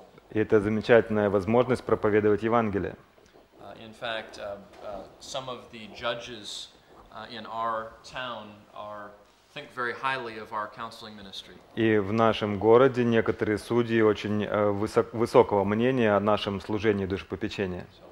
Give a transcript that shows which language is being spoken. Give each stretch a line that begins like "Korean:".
Russian: И это замечательная возможность проповедовать Евангелие.
English: In fact, some of the judges in our town think very highly of our counseling ministry.
Russian: И в нашем городе некоторые судьи очень высокого мнения о нашем служении душепопечения.